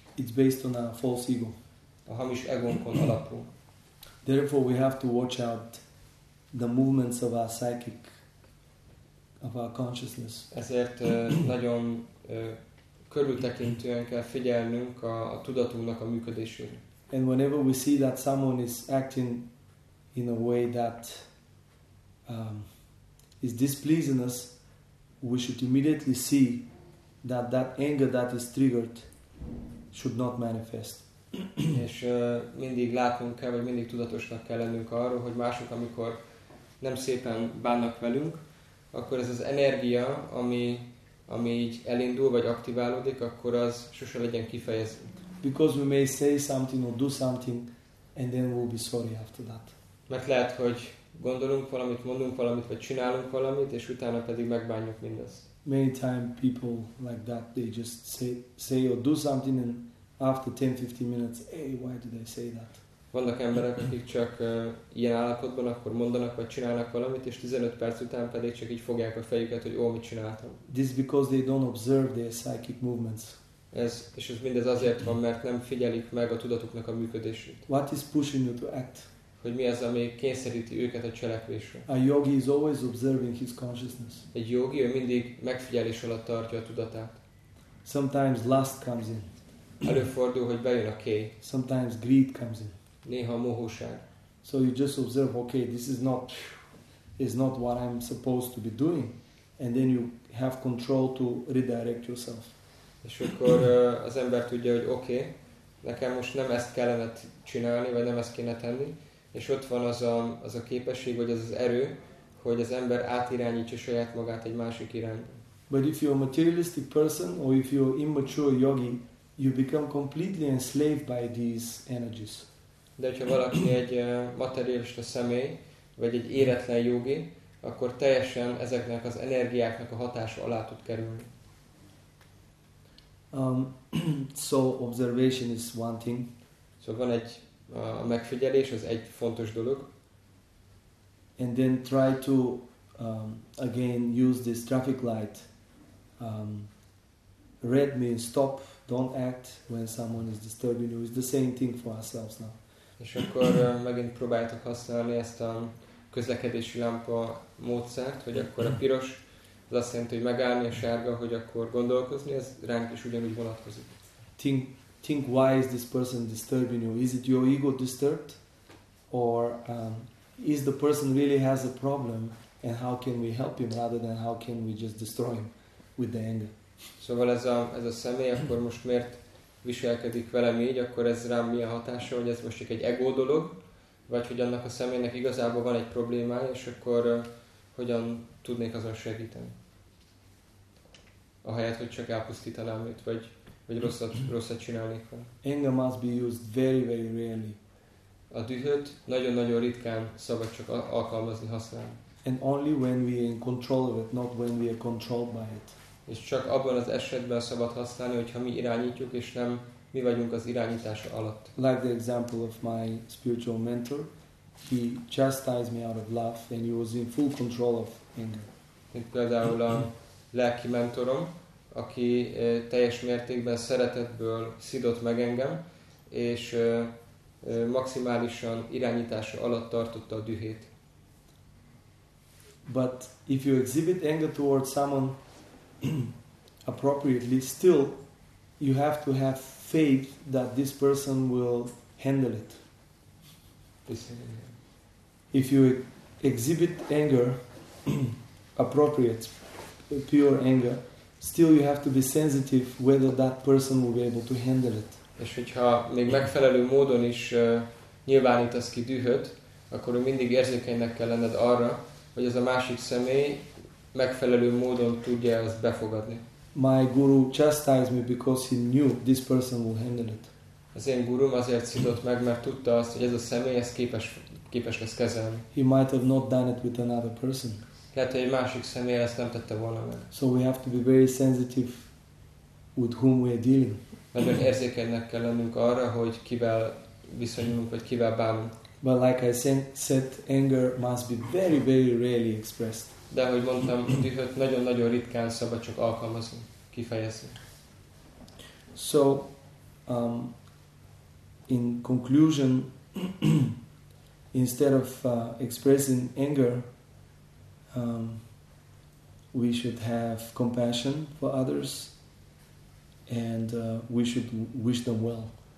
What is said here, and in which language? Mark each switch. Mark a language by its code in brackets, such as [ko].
[en] It's based on a false ego. [hu] A hamis egónkon alapul. [en] Therefore, we have to watch out the movements of our psychic, of our consciousness. [hu] Ezért nagyon körültekintően kell figyelnünk a tudatunknak a működésére. [en] And whenever we see that someone is acting in a way that is displeasing us, we should immediately see that that anger that is triggered should not manifest. [hu] És mindig látnunk kell, vagy mindig tudatosnak kell lennünk arról, hogy mások, amikor nem szépen bánnak velünk, akkor ez az energia, ami így elindul, vagy aktiválódik, akkor az sose legyen kifejezünk. [en] Because we may say something or do something, and then we'll be sorry after that. [hu] Mert lehet, hogy gondolunk valamit, mondunk valamit, vagy csinálunk valamit, és utána pedig megbánjuk mindezt. [en] Many times people like that, they just say or do something, and after 10-15 minutes, hey, why did I say that? [hu] Vannak emberek, akik csak ilyen állapotban akkor mondanak, vagy csinálnak valamit, és 15 perc után pedig csak így fogják a fejüket, hogy mit csináltam. [en] This because they don't observe their psychic movements. [hu] És ez mindez azért van, mert nem figyelik meg a tudatuknak a működését. [en] What is pushing you to act? [hu] Hogy mi az, ami kényszeríti őket a cselekvésre. [en] A yogi is always observing his consciousness. [hu] Egy yogi, ő mindig megfigyelés alatt tartja a tudatát. [en] Sometimes lust comes in. [hu] Előfordul, hogy bejön a kéj. [en] Sometimes greed comes in. [hu] Néha a mohóság. [en] So you just observe, okay, this is not what I'm supposed to be doing, and then you have control to redirect yourself. [hu] És akkor az ember tudja, hogy okay, nekem most nem ezt kellene csinálni, vagy nem ezt kéne tenni, és ott van az a képesség, vagy az az erő, hogy az ember átirányítsa saját magát egy másik irányba. [en] But if you're a materialistic person, or if you're immature yogi, you become completely enslaved by these energies. [hu] De hogyha valaki egy materialista személy, vagy egy éretlen jogi, akkor teljesen ezeknek az energiáknak a hatása alá tud kerülni. [en] So observation is one thing. [hu] Szóval van egy a megfigyelés, az egy fontos dolog. [en] And then try to again use this traffic light. Red means stop, don't act when someone is disturbing you. It's the same thing for ourselves now. [hu] És akkor megint próbáljátok használni ezt a közlekedési lámpa módszert, hogy akkor a piros Ez azt jelenti, hogy megállni a sárga, hogy akkor gondolkozni, ez ránk is ugyanúgy vonatkozik. [en] Think why is this person disturbing you? Is it your ego disturbed? Or is the person really has a problem and how can we help him rather than how can we just destroy him with the anger? [hu] Szóval ez a személy akkor most miért viselkedik velem így, akkor ez rám milyen hatása, hogy ez most csak egy ego dolog, vagy hogy annak a személynek igazából van egy problémája, és akkor hogyan tudnék azon segíteni? Ahelyett, hogy csak elpusztítanám őt, vagy rosszat csinálnék van. [en] Anger must be used very, very rarely. [hu] A dühöt nagyon-nagyon ritkán szabad csak alkalmazni, használni. [en] And only when we are in control of it, not when we are controlled by it. [hu] És csak abban az esetben szabad használni, hogyha mi irányítjuk, és nem mi vagyunk az irányítása alatt. [en] Like the example of my spiritual mentor, he chastised me out of love, and he was in full control of anger. [hu] Mint például a lelki mentorom, aki teljes mértékben szeretetből szidott meg engem, és maximálisan irányítása alatt tartotta a dühét. [en] But if you exhibit anger towards someone appropriately, still you have to have faith that this person will handle it. If you exhibit anger appropriate, pure anger, still you have to be sensitive whether that person will be able to handle it. [hu] És hogyha még megfelelő módon is nyilvánítasz ki dühöt, akkor mindig érzékenynek kell lenned arra, hogy ez a másik személy megfelelő módon tudja ezt befogadni. [en] My guru chastised me because he knew this person will handle it. [hu] Az én gurum azért szidott meg, mert tudta azt, hogy ez a személy ezt képes lesz kezelni. [en] He might have not done it with another person. [hu] Hát egy másik személy ezt nem tette volna meg. [en] So we have to be very sensitive with whom we are dealing. [hu] Nagyon érzékenynek kell lennünk arra, hogy kivel viszonyulunk, vagy kivel bánunk. [en] But like I said, anger must be very, very rarely expressed. [hu] De ahogy mondtam, dühöt nagyon-nagyon ritkán szabad csak alkalmazni, kifejezni. [en] So, in conclusion, instead of expressing anger, we should have compassion for others and we should wish them well.